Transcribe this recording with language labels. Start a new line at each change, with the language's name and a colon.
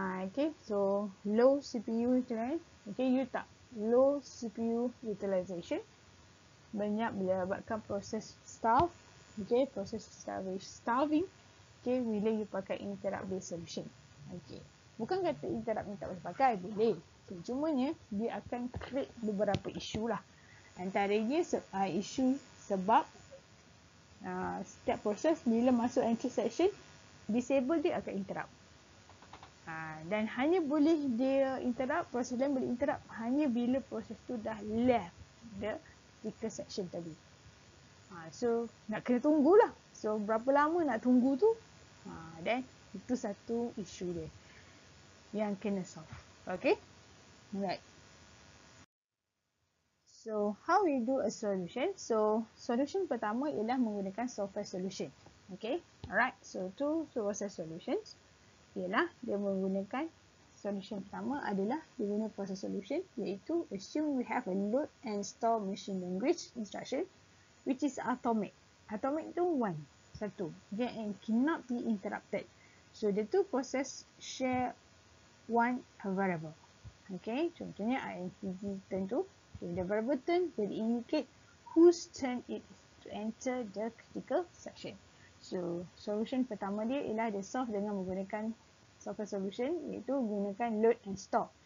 English: Okay, so low CPU utilization. Okay, you
Malay: tak
English: low CPU utilization,
Malay: banyak menyebabkan proses starving.
English: Okay, bila you pakai interrupt based solution.
Malay: Okay, bukan kata interrupt ni tak boleh pakai, boleh. Okay, cumanya dia akan create beberapa isu lah. Antaranya isu sebab setiap proses bila masuk entry section, disable dia akan interrupt. Dan hanya boleh dia interrupt, proses lain boleh interrupt hanya bila proses tu dah
English: left the critical section
Malay: tadi. So, nak kena tunggulah. So, berapa lama nak tunggu tu? Dan itu satu isu dia yang kena solve. Okay? Alright.
English: So, how we do a solution?
Malay: So, solution pertama ialah menggunakan software solution.
English: Okay? Alright. So, two process solutions.
Malay: Ialah dia menggunakan solution pertama adalah dia guna process solution, iaitu
English: assume we have a load and store machine language instruction which is atomic. atomic
Malay: tu
English: one,
Malay: satu.
English: Yeah, and cannot be interrupted. So the two process share one variable. Okay, contohnya INTG turn tu. Okay, the variable turn will indicate whose turn it is to enter the critical section.
Malay: So, solution pertama dia ialah dia solve dengan menggunakan software solution, iaitu gunakan load and store.